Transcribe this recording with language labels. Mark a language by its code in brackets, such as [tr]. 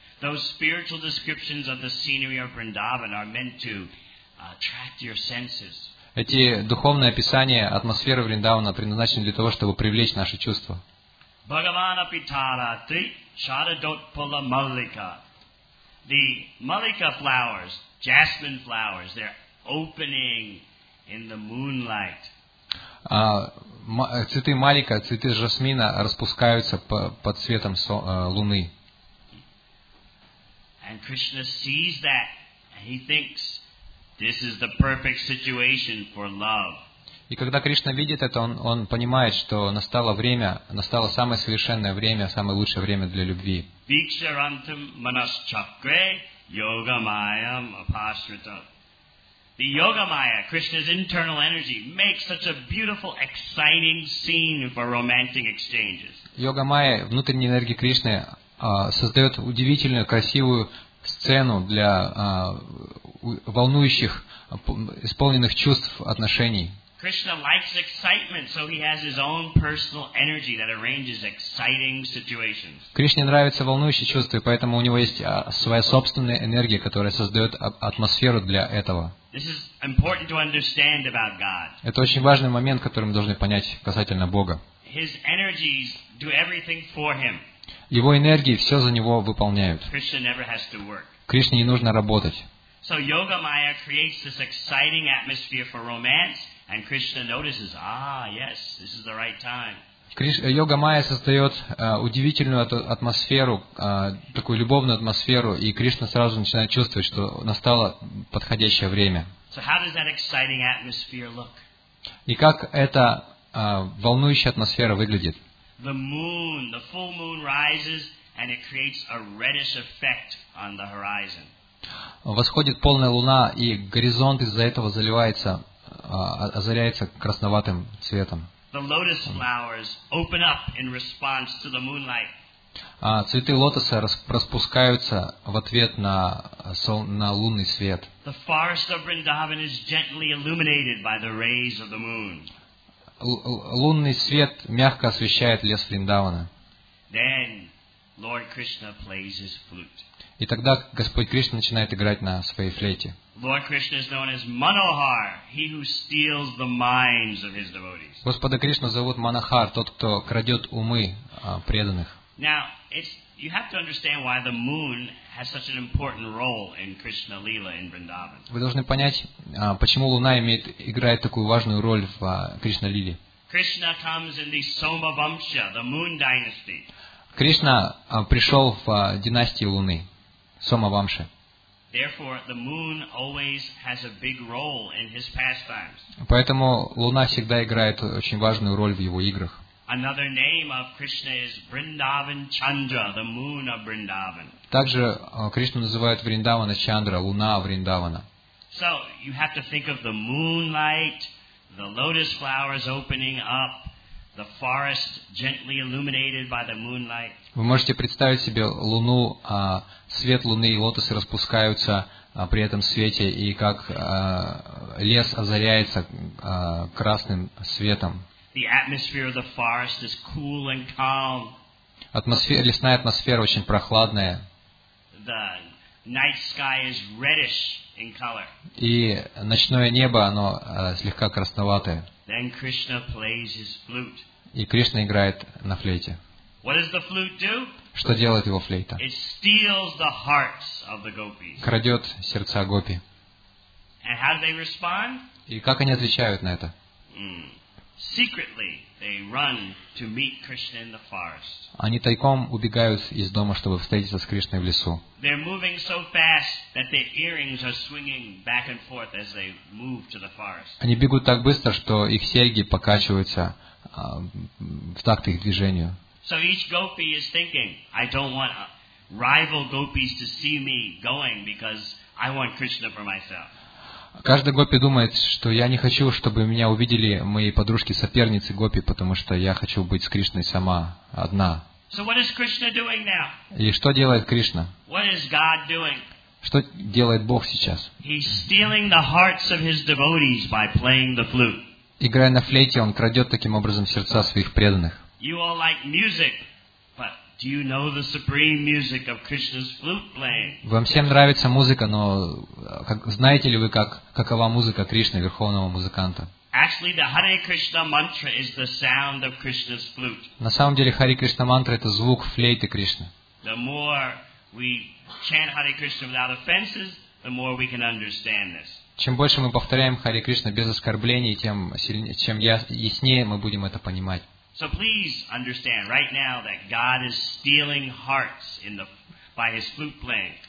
[en] Those spiritual descriptions of the scenery of Vrindavan are meant to attract your senses. [ru] Эти духовные описания атмосферы Вриндавана предназначены для того, чтобы привлечь наши чувства. [sa] Bhagavana Pitara Tri Charadotpala Mallika. [en] The Mallika flowers, jasmine flowers, they're opening in the moonlight. [ru] Цветы Малика, цветы жасмина распускаются под светом луны. [en] And Krishna sees that and he thinks this is the perfect situation for love. [ru] И когда Кришна видит это, он понимает, что настало время, настало самое совершенное время, самое лучшее время для любви. [sa] Vikshirantam manas chakre yogamayam apashrita. [en] The yogamaya, Krishna's internal energy, makes such a beautiful, exciting scene for romantic exchanges. [ru] Йогамая, внутренняя энергия Кришны, создает удивительную, красивую сцену для волнующих, исполненных чувств отношений. [en] Krishna likes excitement, so he has his own personal energy that arranges exciting situations. [ru] Кришне нравится волнующие чувства, поэтому у него есть своя собственная энергия, которая создает атмосферу для этого. [en] This is important to understand about God. [ru] Это очень важный момент, который мы должны понять касательно Бога. [en] His energies do everything for him. [ru] Его энергии все за него выполняют. [en] Krishna never has to work. [ru] Кришне не нужно работать. [en] So yoga maya creates this exciting atmosphere for romance. And Krishna notices, yes, this is the right time. [ru] Йога Майя создает удивительную атмосферу, такую любовную атмосферу, и Кришна сразу начинает чувствовать, что настало подходящее время. [en] So how does that exciting atmosphere look? [ru] И как эта волнующая атмосфера выглядит? [en] The moon, the full moon rises, and it creates a reddish effect on the horizon. [ru] Восходит полная луна, и горизонт из-за этого заливается. Озаряется красноватым цветом. [en] The lotus flowers open up in response to the moonlight. [ru] Цветы лотоса распускаются в ответ на лунный свет. [en] The forest of Vrindavan is gently illuminated by the rays of the moon. [ru] Лунный свет мягко освещает лес Вриндавана. [en] Then Lord Krishna plays his flute. [ru] И тогда Господь Кришна начинает играть на своей флейте. [en] Lord Krishna is known as Manohar, he who steals the minds of his devotees. [ru] Господа Кришна зовут Манохар, тот, кто крадет умы преданных. [en] Now, you have to understand why the moon has such an important role in Krishna Lila in Vrindavan. [ru] Вы должны понять, почему луна играет такую важную роль в Кришна Лиле. [en] Krishna comes in the Somavamsha, the moon dynasty. [ru] Кришна пришел в династию луны, Сомавамша. [en] Therefore, the moon always has a big role in his pastimes. [ru] Поэтому луна всегда играет очень важную роль в его играх. [en] Another name of Krishna is Vrindavan Chandra, the moon of Vrindavan. [ru] Также Кришну называют Вриндавана Чандра, луна Вриндавана. [en] So you have to think of the moonlight, the lotus flowers opening up, the forest gently illuminated by the moonlight. [ru] Вы можете представить себе луну, свет луны и лотосы распускаются при этом свете, и как лес озаряется красным светом. [en] The atmosphere of the forest is cool and calm. [ru] Лесная атмосфера очень прохладная. [en] The night sky is reddish in color. [ru] И ночное небо, оно слегка красноватое. [en] Then Krishna plays his flute. [ru] И Кришна играет на флейте. [en] What does the flute do? [ru] Что делает его флейта? [en] It steals the hearts of the gopis. [ru] Крадет сердца гопи. [en] And how do they respond? [ru] И как они отвечают на это? [en] Secretly, they run to meet Krishna in the forest. [ru] Они тайком убегают из дома, чтобы встретиться с Кришной в лесу. [en] They're moving so fast that their earrings are swinging back and forth as they move to the forest. [ru] Они бегут так быстро, что их серьги покачиваются в такт их движению. [en] So each gopi is thinking, I don't want rival gopis to see me going because I want Krishna for myself. [ru] Каждый гопи думает, что я не хочу, чтобы меня увидели мои подружки-соперницы гопи, потому что я хочу быть с Кришной сама, одна. [en] So what is Krishna doing now? [ru] И что делает Кришна? [en] What is God doing? [ru] Что делает Бог сейчас? [en] He's stealing the hearts of his devotees by playing the flute. [ru] Играя на флейте, он крадет таким образом сердца своих преданных. [en] You all like music, but do you know the supreme music of Krishna's flute playing? [ru] Вам всем нравится музыка, но знаете ли вы, какова музыка Кришны, верховного музыканта? [en] Actually, the Hare Krishna mantra is the sound of Krishna's flute. [ru] На самом деле, Hare Krishna mantra — это звук флейты Кришны. [en] The more we chant Hare Krishna without offenses, the more we can understand this. [ru] Чем больше мы повторяем Hare Krishna без оскорблений, тем чем яснее мы будем это понимать. [en] So please understand right now that God is stealing hearts in the by his flute playing.